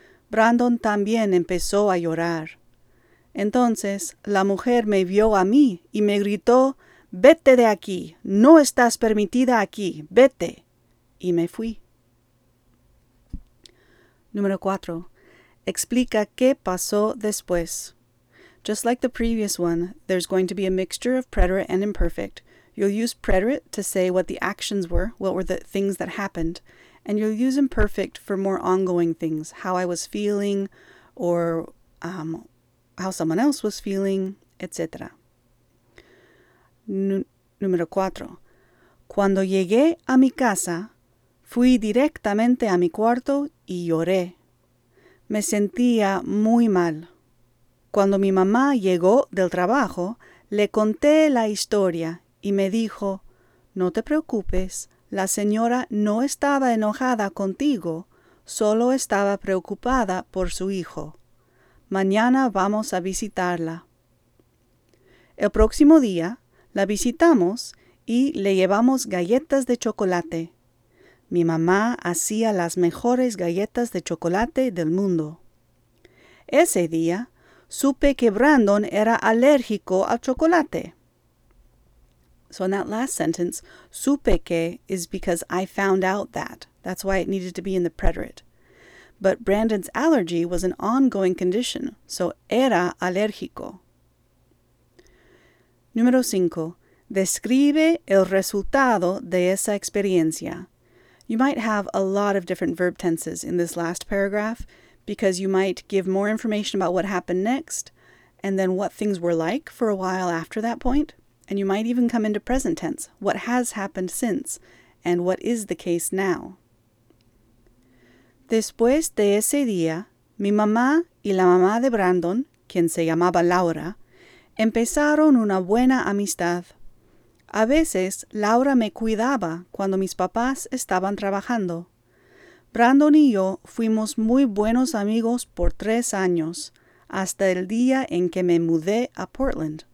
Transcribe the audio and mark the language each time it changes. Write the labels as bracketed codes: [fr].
[es] Brandon también empezó a llorar. Entonces, la mujer me vio a mí y me gritó, «Vete de aquí. No estás permitida aquí. Vete». Y me fui. Número 4. Explica qué pasó después. [en] Just like the previous one, there's going to be a mixture of preterite and imperfect. You'll use preterite to say what the actions were, what were the things that happened, and you'll use imperfect for more ongoing things, how I was feeling, or how someone else was feeling, etc. [es] Número 4. Cuando llegué a mi casa, fui directamente a mi cuarto y lloré. Me sentía muy mal. Cuando mi mamá llegó del trabajo, le conté la historia y me dijo, «No te preocupes, la señora no estaba enojada contigo, solo estaba preocupada por su hijo. Mañana vamos a visitarla». El próximo día, la visitamos y le llevamos galletas de chocolate. Mi mamá hacía las mejores galletas de chocolate del mundo. Ese día, supe que Brandon era alérgico al chocolate. [en] So in that last sentence, [es] supe que [en] is because I found out that. That's why it needed to be in the preterite. But Brandon's allergy was an ongoing condition, so [es] era alérgico. Número 5. Describe el resultado de esa experiencia. [en] You might have a lot of different verb tenses in this last paragraph because you might give more information about what happened next and then what things were like for a while after that point. And you might even come into present tense, what has happened since and what is the case now. [es] Después de ese día, mi mamá y la mamá de Brandon, quien se llamaba Laura, empezaron una buena amistad. A veces, Laura me cuidaba cuando mis papás estaban trabajando. Brandon y yo fuimos muy buenos amigos por 3 años, hasta el día en que me mudé a Portland,